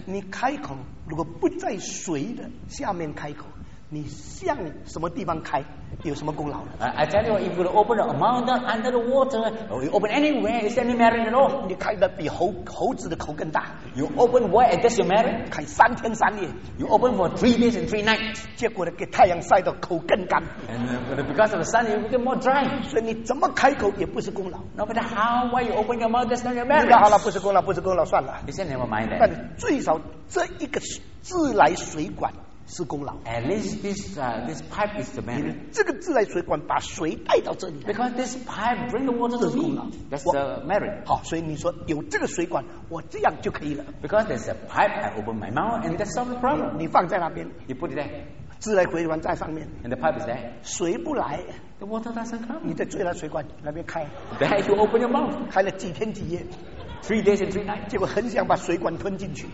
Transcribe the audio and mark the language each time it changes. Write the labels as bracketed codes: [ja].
[zh] 你开口如果不在水的下面开口，你向什么地方开？有什么功劳呢？ [en] I tell you, if you open a mountain under the water, or you open anywhere, is there any merit at all? [zh] 你开的比猴子的口更大。 [en] You open where, that's your merit? [zh] 开三天三夜。 [en] You open for 3 days and 3 nights. [zh] 结果呢，给太阳晒到口更干。 [en] And because of the sun, you get more dry. [zh] 所以你怎么开口也不是功劳。 [en] No matter how, why you open your mouth, that's not your merit. [zh] 你说好了，不是功劳，不是功劳，算了。 [en] You say never mind that. [zh] 但最少这一个自来水管是功劳。 [en] At least this pipe is the merit. [zh] 这个自来水管把水带到这里。 [en] Because this pipe bring the water to me. That's the merit. [zh] 好，所以你说有这个水管，我这样就可以了。 [en] Because there's a pipe, I open my mouth and that solves the problem. [zh] 你放在那边。 [en] You put it there. [zh] 自来水管在上面。 [en] And the pipe is there. [zh] 水不来。 [en] The water doesn't come. [zh] 你在自来水管那边开。 [en] There you open your mouth. [zh] 开了几天几夜。 [en] 3 days and 3 nights. [zh] 结果很想把水管吞进去。